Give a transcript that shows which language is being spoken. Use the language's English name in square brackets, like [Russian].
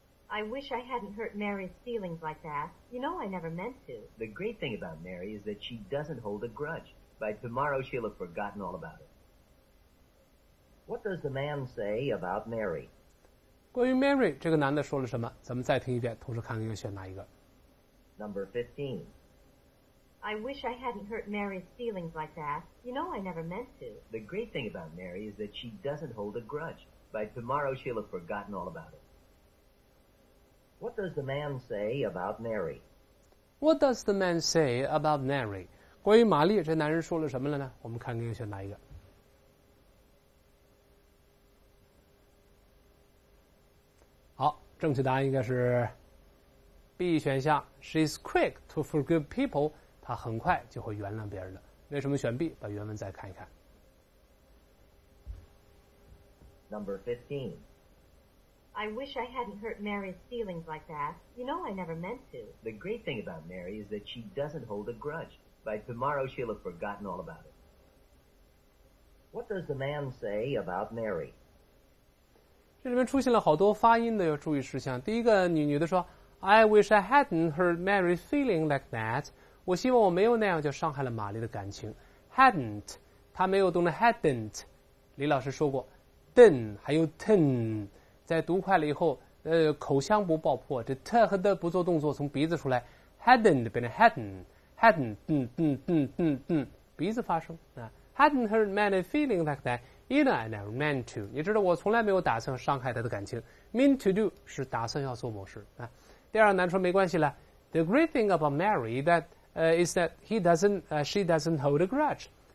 [English] I wish I hadn't hurt Mary's feelings like that. You know I never meant to. The great thing about Mary is that she doesn't hold a grudge. By tomorrow she'll have forgotten all about it. What does the man say about Mary? [Chinese] 关于 Mary 这个男的说了什么，咱们再听一遍，同时看看要选哪一个。 [English] Number 15. I wish I hadn't hurt Mary's feelings like that. You know I never meant to. The great thing about Mary is that she doesn't hold a grudge. By tomorrow she'll have forgotten all about it. What does the man say about Mary? What does the man say about Mary? [Chinese] 关于玛丽这男人说了什么了呢？我们看看要选哪一个。正确答案应该是 B 选项 [English] She's quick to forgive people [Chinese] 她很快就会原谅别人的为什么选 B 把原文再看一看 [English] Number 15 I wish I hadn't hurt Mary's feelings like that You know I never meant to The great thing about Mary is that she doesn't hold a grudge By tomorrow she'll have forgotten all about it What does the man say about Mary? [Chinese] 这里面出现了好多发音的要注意事项。第一个女的说 [English] I wish I hadn't hurt Mary's feeling like that. [Chinese] 我希望我没有那样就伤害了玛丽的感情。 Hadn't, 她没有动的 hadn't。李老师说过 den 还有 ten 在读快了以后口腔不爆破这 t 和 d 不做动作从鼻子出来 hadn't 变成 hadn't 鼻子发声、 [English] hadn't hurt Mary's feeling like that. You know, I never meant to. [Chinese] 你知道我从来没有打算伤害他的感情。 [English] Mean to do [Chinese] 是打算要做某事、第二男说没关系了。 [English] The great thing about Mary that,、is that he doesn't,、she doesn't hold a grudge.